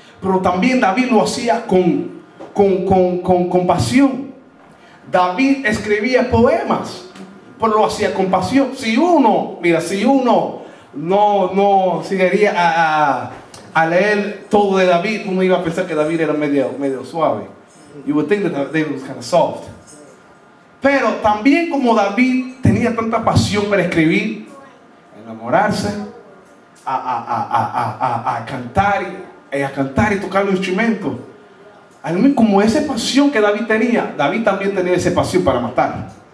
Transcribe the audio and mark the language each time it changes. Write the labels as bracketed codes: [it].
[es] Pero también David lo hacía con compasión. David escribía poemas, pero lo hacía con pasión. Si uno no llegaría a leer todo de David, uno iba a pensar que David era medio suave. [en] You would think that David was kind of soft. [es] Pero también, como David tenía tanta pasión para escribir, enamorarse, a cantar y tocar los instrumentos. Como esa pasión que David tenía, David también tenía esa pasión para matar.